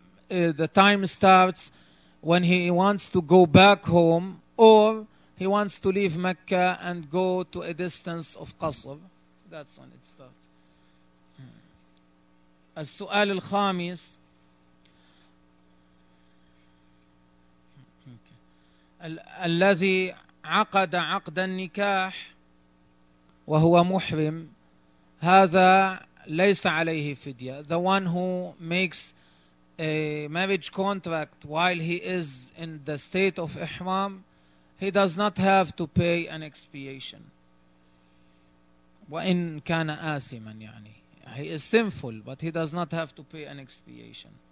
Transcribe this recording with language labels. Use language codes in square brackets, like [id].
[en] The time starts when he wants to go back home or he wants to leave Mecca and go to a distance of قصر. That's when it starts. [ar] السؤال الخامس: الذي عقد عقد النكاح وهو محرم هذا ليس عليه فدية. [en] The one who makes a marriage contract while he is in the state of ihram, he does not have to pay an expiation. [ar] وإن كان آثما يعني. [en] He is sinful, but he does not have to pay an expiation.